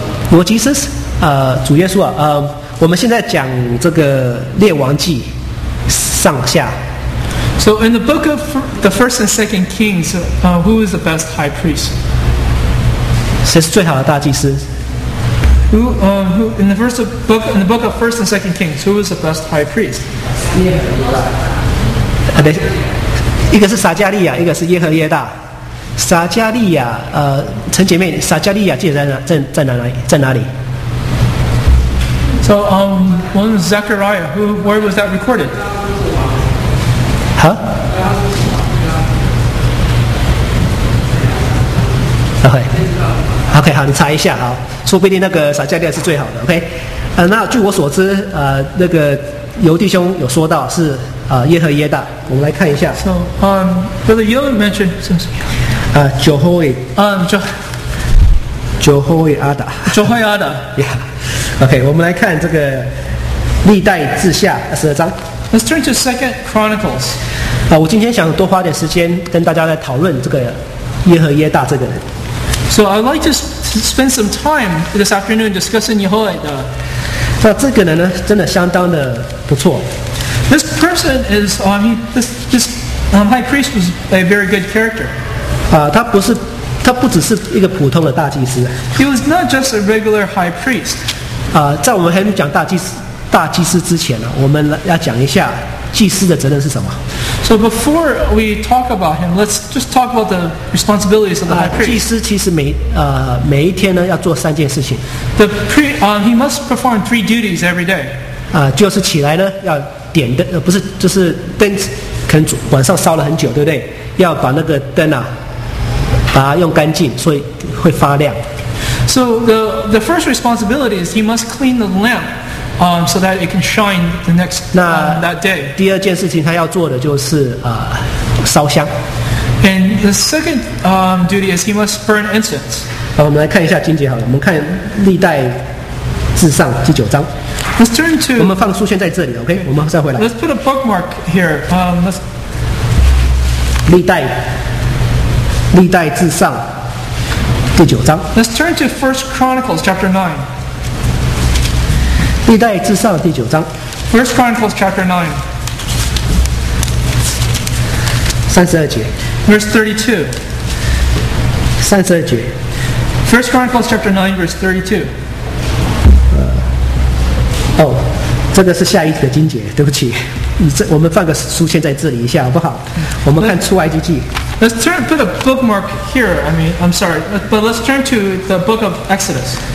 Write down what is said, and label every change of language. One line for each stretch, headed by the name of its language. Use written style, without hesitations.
Chinese: 罗基斯，主耶稣啊，我们现在讲这个列王记上下。
English: So in the book of the first and second kings, who is the best high priest？
Chinese: 谁是最好的大祭司
English: ？Who in the first book in the book of first and second kings, who is the best high priest？ Yeah.
Chinese: 一个是撒加利亚，一个是耶和耶大。撒加利亚，陈姐妹，撒加利亚记得在哪里
English: ？So one is Zechariah. Where was that recorded? Huh? Okay.
Chinese: 好，你查一下啊，说不定那个撒加利亚是最好的。OK， 那据我所知，那个尤弟兄有说到是。耶和耶大。我们来看一下。
English: So, Brother Yellen mentioned since. Jehoiada. Jehoiada. Yeah.
Chinese: Okay, 我们来看这个历代志下十二章。
English: Let's turn to Second Chronicles.
Chinese: 我今天想多花点时间跟大家来讨论这个耶和耶大这个人。
English: So I'd like to spend some time this afternoon discussing Jehoiada.
Chinese: 那这个人呢，真的相当的不错。
English: This person is, this high priest was a very good character.
Chinese: 他不只是一个普通的大祭司。
English: He was not just a regular high priest.
Chinese: 在我们还没讲大祭司之前呢，我们要讲一下祭司的责任是什么。
English: So before we talk about him, let's just talk about the responsibilities of the high priest.
Chinese: 祭司其实每一天呢要做三件事情。
English: The priest, he must perform three duties every day.
Chinese: 就是起来呢要点灯，不是就是灯，可能晚上烧了很久，对不对？要把那个灯啊，把它用干净，所以会发亮。
English: So the first responsibility is he must clean the lamp, so that it can shine the next that day.
Chinese: 第二件事情他要做的就是烧香。
English: And the second duty is he must burn incense.
Chinese: 好，我们来看一下经节好了，我们看历代志上第九章。
English: Let's turn to.
Chinese: 我们放书先在这里 ，OK？我们再回来。
English: Let's put a bookmark here. Let's.
Chinese: 历代志上第九章。
English: Let's turn to First Chronicles chapter 9.
Chinese: 历代志上第九章。
English: First Chronicles chapter 9.
Chinese: 三十二节。
English: Verse 32.
Chinese: 三十二节。
English: First Chronicles chapter 9, verse 32.
Chinese: 哦，这个是下一个经节，对不起，我们放个书签在这里一下好不好？我们看出埃及记。
English: Let's turn, put a bookmark here. I mean, I'm sorry, but let's turn to the book of Exodus.